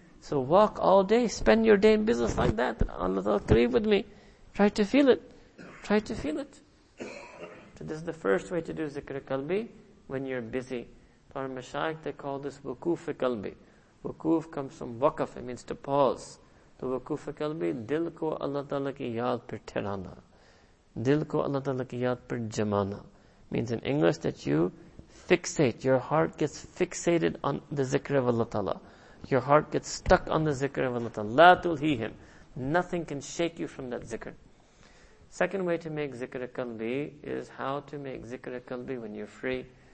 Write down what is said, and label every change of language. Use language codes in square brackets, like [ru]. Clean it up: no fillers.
[en] So walk all day, spend your day in business like that. Allah Al Kareem with me. Try to feel it. Try to feel it. So this is the first way to do zikr kalbi when you're busy. Our mashayikh, they call this wukuf kalbi. Wukuf comes from waqaf, it means to pause. [ur] The وقوف قلبی، دل کو اللہ تعالیٰ کی یاد پر ٹھہرانا۔ دل کو اللہ تعالیٰ کی یاد پر جمانا۔ [en] Means in English that you fixate, your heart gets fixated on the zikr of Allah Ta'ala. Your heart gets stuck on the zikr of Allah Ta'ala. [ar] La tulhihim. [en] Nothing can shake you from that zikr. Second way to make zikr kalbi is how to make zikr kalbi when you're free.